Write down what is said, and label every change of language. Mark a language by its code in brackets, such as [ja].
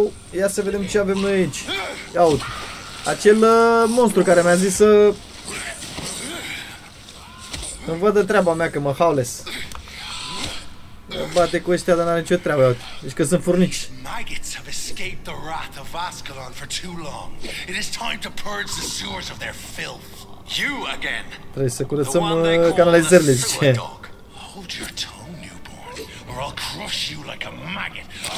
[ro] Ia să vedem ce avem noi aici. Ia uite. Acel monstru care mi-a zis să... Îmi văd de treaba mea că mă haules. Mă bate cu ăștia, dar n-are nicio treabă, iau. Deci că sunt furnici. [en] Maggots have escaped the wrath of Ascalon for too long. It is time to purge the sewers of their filth. You again. [ro] Trebuie să curățăm canalizările, zice. [en] Hold your tongue, newborn, or I'll crush you like a maggot.